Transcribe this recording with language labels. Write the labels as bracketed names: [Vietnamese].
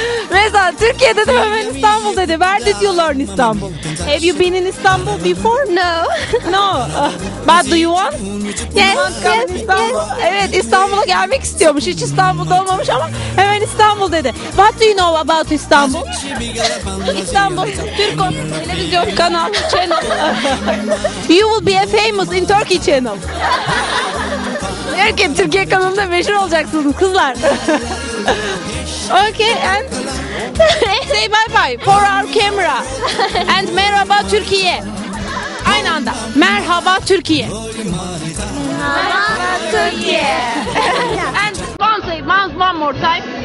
[Turkish] Mesela Türkiye dedi, hemen İstanbul dedi. [English] Where did you learn İstanbul? Have you been in Istanbul before? No. No. But do you want? Yes. [Turkish] Evet, İstanbul'a gelmek istiyormuş. Hiç İstanbul'da olmamış ama hemen İstanbul dedi. [English] What do you know about İstanbul? [Turkish] İstanbul, Turko. Televizyon kanal, channel. [English] You will be a famous in Turkey channel. [Turkish] Erken Türkiye kanalında meşhur olacaksınız kızlar. [English] Okay, and say bye bye for our camera. [Turkish] And merhaba Türkiye. Aynı anda. Merhaba Türkiye. Merhaba Türkiye. [English] And once say one more time.